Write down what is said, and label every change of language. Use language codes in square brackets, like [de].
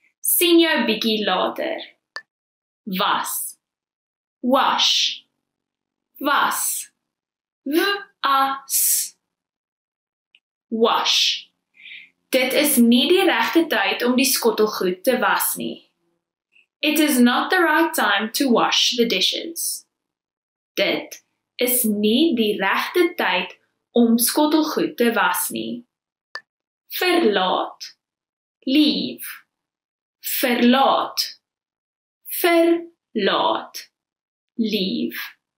[af] Sien jou 'n bietjie later. Was. Wash. Was. W-a-s. Wash. Dit is nie die regte tyd om die skottelgoed te was nie. [en] It is not the right time to wash the dishes. [af] Dit is nie die regte tyd om skottelgoed te was nie. Verlaat. Leave. Verlaat. Verlaat. Leave.